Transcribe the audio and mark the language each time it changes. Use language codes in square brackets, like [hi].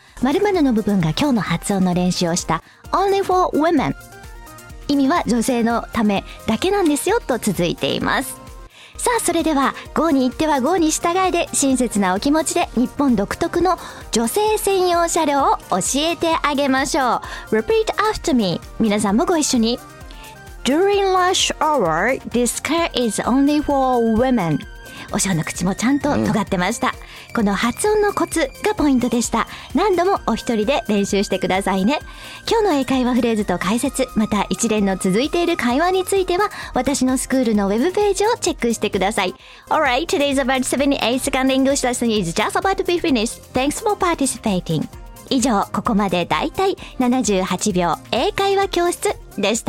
[ja] 〇〇の部分が今日の発音の練習をした [en] Only for women、 [ja] 意味は女性のためだけなんですよと続いています。さあそれでは、郷に入っては郷に従えで親切なお気持ちで日本独特の女性専用車両を教えてあげましょう。 [en] Repeat after me、 [ja] 皆さんもご一緒に。 [en] During lunch hour, this car is only for women。 [ja] お嬢の口もちゃんと尖ってました、うん、この発音のコツがポイントでした。何度もお一人で練習してくださいね。今日の英会話フレーズと解説、また一連の続いている会話については私のスクールのウェブページをチェックしてください。 [en] Alright, today's about 78 second English lesson is just about to be finished. Thanks for participating. [ja] 以上、ここまでだいたい78秒英会話教室でした。